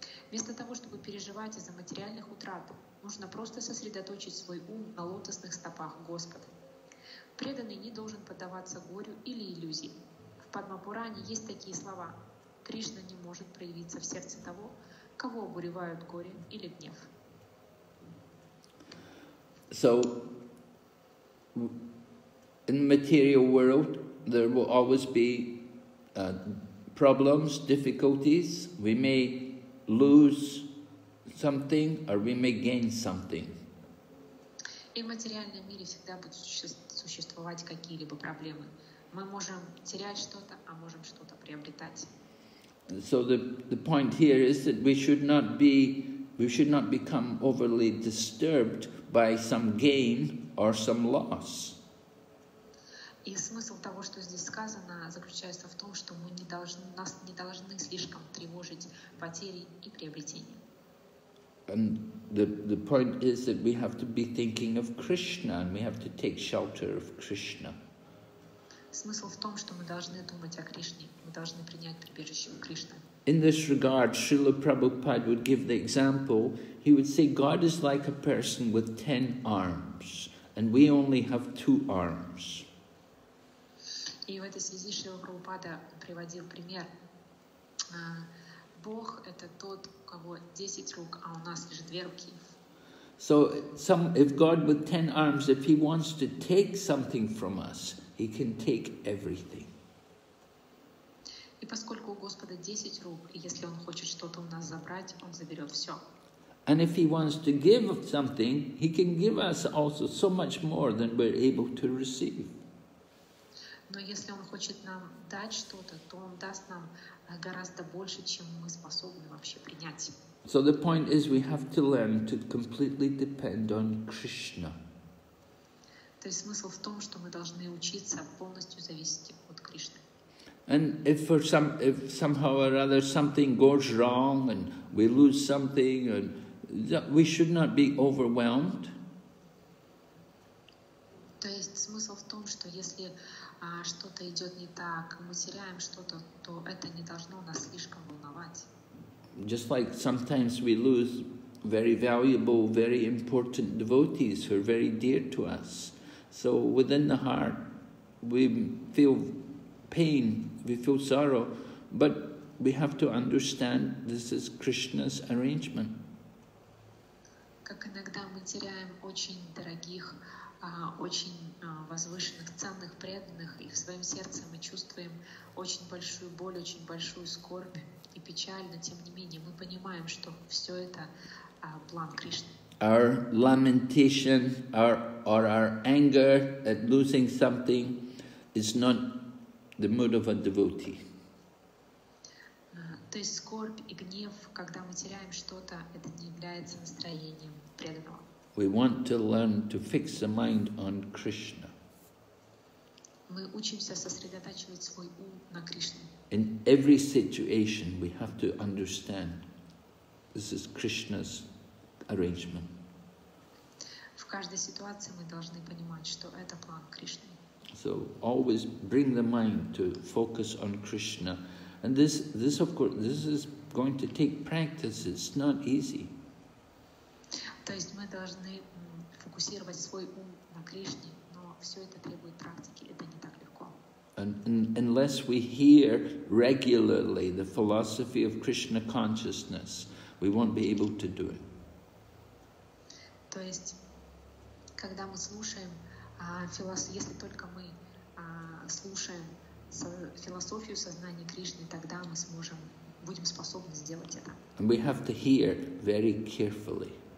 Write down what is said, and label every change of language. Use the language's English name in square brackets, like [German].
[Russian] Вместо того, чтобы переживать из-за материальных утрат, нужно просто сосредоточить свой ум на лотосных стопах Господа. Преданный не должен поддаваться горю или иллюзии. В Падмапуране есть такие слова. Кришна не может проявиться в сердце того, кого обуревают горе или гнев. [English] So, in the material world, there will always be problems, difficulties. We may lose something or we may gain something. [Russian] И в материальном мире всегда будут существовать какие-либо проблемы. Мы можем терять что-то, а можем что-то приобретать. [English] So the point here is that we should not become overly disturbed by some gain or some loss. [Russian] И смысл того, что здесь сказано, заключается в том, что нас не должны слишком тревожить потери и приобретения. [English] And the point is that we have to be thinking of Krishna and we have to take shelter of Krishna. [Russian] Смысл в том, что мы должны думать о Кришне, мы должны принять прибежище у Кришны. [English] In this regard, Srila Prabhupada would give the example. He would say, God is like a person with 10 arms, and we only have 2 arms. [Russian] И в этой связи Шрила Прабхупада приводил пример. Бог — это тот, у кого 10 рук, а у нас лишь 2 руки. [English] So, if God with 10 arms, if he wants to take something from us, he can take everything. [Russian] И поскольку у Господа 10 рук, и если он хочет что-то у нас забрать, он заберет все. [English] And if he wants to give something, he can give us also so much more than we're able to receive. [Russian] Но если он хочет нам дать что-то, то он даст нам гораздо больше, чем мы способны вообще принять. [English] So the point is we have to learn to completely depend on Krishna. [Russian] То есть смысл в том, что мы должны учиться полностью зависеть от Кришны. [English] And if somehow or other something goes wrong and we lose something, and we should not be overwhelmed. [Russian] То есть смысл в том, что если что-то идет не так, мы теряем что-то, то это не должно нас слишком волновать. [English] Just like sometimes we lose very valuable, very important devotees who are very dear to us. So within the heart, we feel pain, we feel sorrow, but we have to understand this is Krishna's arrangement. [Russian] Как иногда мы теряем очень дорогих, очень возвышенных, ценных преданных, и в своем сердце мы чувствуем очень большую боль, очень большую скорбь и печаль, но тем не менее мы понимаем, что все это план Кришны. [English] Our lamentation or our anger at losing something is not the mood of a devotee. [Russian] То есть скорбь и гнев, когда мы теряем что-то, это не является настроением преданного. [English] We want to learn to fix the mind on Krishna. [Russian] Мы учимся сосредотачивать свой ум на Кришне. [English] In every situation, we have to understand this is Krishna's arrangement. [Russian] В каждой ситуации мы должны понимать, что это план Кришны. [English] So always bring the mind to focus on Krishna. And this of course, this is going to take practice. It's not easy. [Russian] То есть мы должны фокусировать свой ум на Кришне, но все это требует практики, это не так легко. [English] And unless we hear regularly the philosophy of Krishna consciousness, we won't be able to do it. [Russian] То есть, когда мы слушаем если только мы слушаем философию сознания Кришны, тогда мы сможем, будем способны сделать это. [English] And we have to hear very carefully.